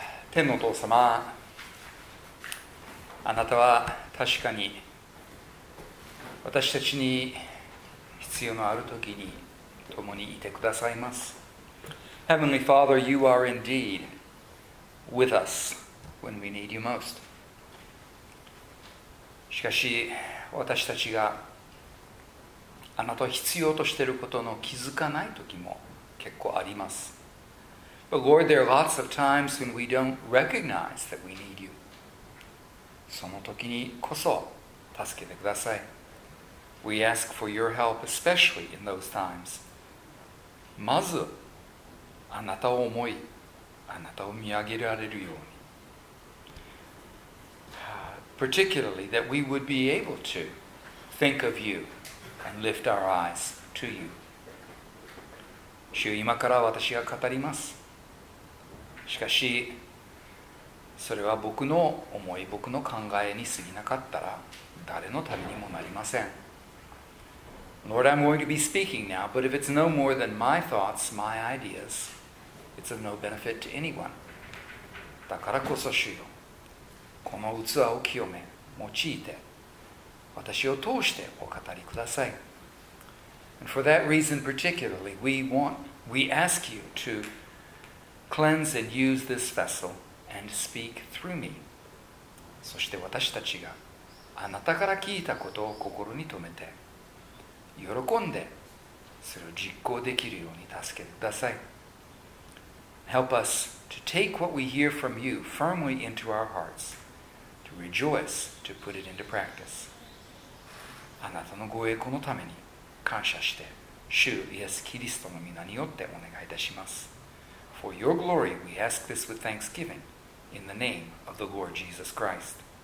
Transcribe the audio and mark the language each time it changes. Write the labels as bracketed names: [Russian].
[Japanese] 天のお父様、あなたは確かに私たちに必要のある時に共にいてくださいます。 [English] Heavenly Father, you are indeed with us when we need you most。 [Japanese] しかし私たちがあなたを必要としていることの気づかない時も結構あります。 [English] But Lord, there are lots of times when we don't recognize that we need you. [Japanese] その時にこそ助けてください。 [English] We ask for your help, especially in those times. [Japanese] まず、あなたを思い、あなたを見上げられるように。 [English] Particularly that we would be able to think of you. And lift our eyes to you. [Japanese] 主、今から私が語ります。しかし、それは僕の思い、僕の考えに過ぎなかったら、誰のためにもなりません。 [English] Lord, I'm going to be speaking now, but if it's no more than my thoughts, my ideas, it's of no benefit to anyone. [Japanese] だからこそ主よ、この器を清め、用いて、私を通してお語りください。 [English] And for that reason particularly, we ask you to cleanse and use this vessel and speak through me. [Japanese] そして私たちがあなたから聞いたことを心に留めて、喜んでそれを実行できるように助けてください。 [English] Help us to take what we hear from you firmly into our hearts, to rejoice to put it into practice. [Japanese] あなたの御栄光のために感謝して、主イエス・キリストの御名によってお願いいたします。 [English] For your glory, we ask this with thanksgiving in the name of the Lord Jesus Christ.